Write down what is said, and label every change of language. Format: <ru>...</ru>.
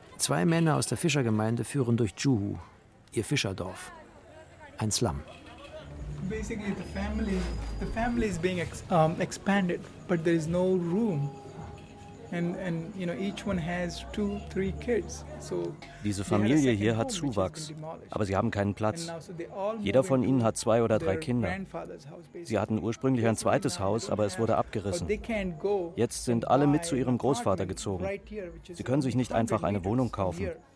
<de>Zwei Männer aus der Fischergemeinde führen durch Juhu, ihr Fischerdorf, ein Slum.</de> <en>Basically the family is being expanded, but there is no room. And you know, each one has 2-3 kids. So</en> <de>diese Familie hier hat Zuwachs, aber sie haben keinen Platz. Jeder von ihnen hat 2 oder 3 Kinder. Sie hatten ursprünglich ein zweites Haus, aber es wurde abgerissen. Jetzt sind alle mit zu ihrem Großvater gezogen. Sie können sich nicht einfach eine Wohnung kaufen.</de>